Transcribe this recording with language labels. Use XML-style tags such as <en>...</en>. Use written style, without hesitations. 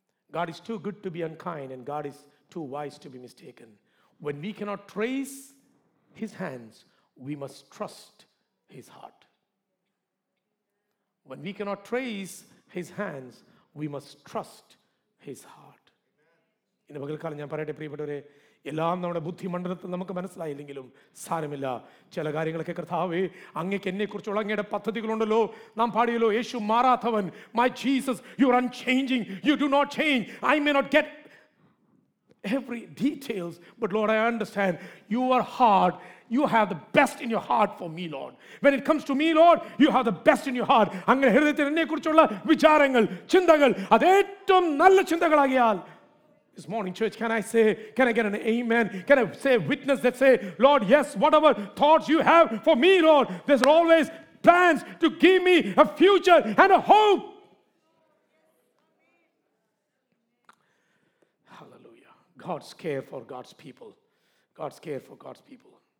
<en>God is too good to be unkind, and God is too wise to be mistaken. When we cannot trace his hands, we must trust his heart. When we cannot trace his hands, we must trust his heart. In the Bagalkal, I'm going to pray for you.</en> <ml>എല്ലാം നമ്മുടെ ബുദ്ധി മണ്ഡലത്തിൽ നമുക്ക് മനസ്സിലായില്ലെങ്കിലും സാരമില്ല. ചില കാര്യങ്ങളൊക്കെ കർത്താവേ, അങ്ങേക്ക് എന്നെ കുറിച്ചുള്ള അങ്ങയുടെ പദ്ധതികളുണ്ടല്ലോ. നാം പാടിയല്ലോ, യേശു മാറാത്തവൻ,</ml> <en>My Jesus you are unchanging, you do not change. I may not get every details, but Lord I understand you are hard. You have the best in your heart for me, Lord. When it comes to me, Lord, you have the best in your heart.</en> <ml>അങ്ങേ ഹൃദയത്തിൽ എന്നെ കുറിച്ചുള്ള വിചാരങ്ങൾ, ചിന്തകൾ അത് ഏറ്റവും നല്ല ചിന്തകളാകിയാൽ</ml> <en>This morning, church, can I get an amen? Can I say a witness that say, Lord, yes, whatever thoughts you have for me, Lord, there's always plans to give me a future and a hope. Hallelujah. God's care for God's people. God's care for God's people.</en>